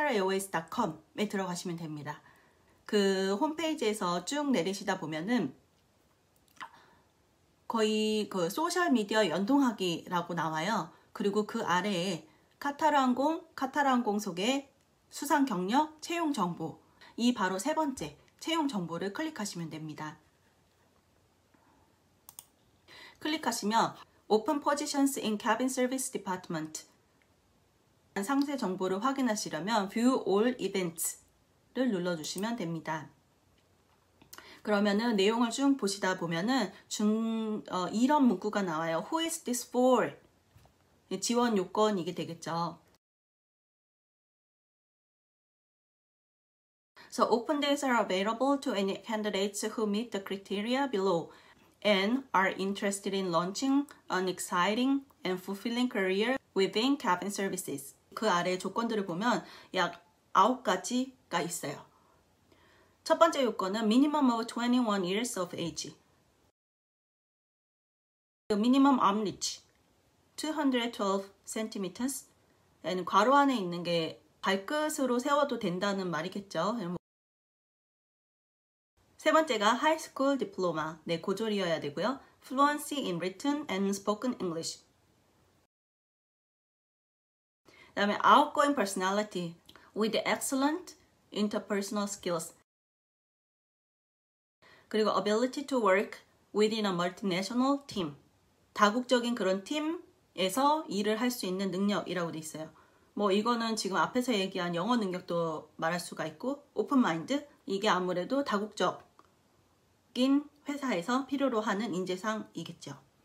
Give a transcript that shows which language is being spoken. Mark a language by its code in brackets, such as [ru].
[ko] 카타르에어웨이스.com에 들어가시면 됩니다. 그 홈페이지에서 쭉 내리시다 보면은 거의 그 소셜미디어 연동하기라고 나와요. 그리고 그 아래에 카타르 항공 소개 수상 경력 채용 정보. 이 바로 세 번째 채용 정보를 클릭하시면 됩니다. 클릭하시면 [en] Open Positions in Cabin Service Department. [ko] 상세 정보를 확인하시려면 View All Events를 눌러주시면 됩니다. 그러면은 내용을 쭉 보시다 보면은 이런 문구가 나와요. [en] Who is this for? [ko] 지원 요건 이게 되겠죠. [en] So open days are available to any candidates who meet the criteria below and are interested in launching an exciting and fulfilling career within cabin services. [ko] 그 아래 조건들을 보면 약 9가지가 있어요. 첫 번째 요건은 [en] minimum of 21 years of age. Minimum arm reach 212cm. [ko] And 괄호 안에 있는 게 발끝으로 세워도 된다는 말이겠죠. 세 번째가 하이스쿨 디플로마. 네, 고졸이어야 되고요. [en] Fluency in written and spoken English. [ko] 그다음에 [en] outgoing personality with excellent interpersonal skills. [ko] 그리고 [en] ability to work within a multinational team. [ko] 다국적인 그런 팀에서 일을 할수 있는 능력이라고 돼 있어요. 뭐 이거는 지금 앞에서 얘기한 영어 능력도 말할 수가 있고 오픈 마인드 이게 아무래도 다국적 긴 회사에서 필요로 하는 인재상이겠죠.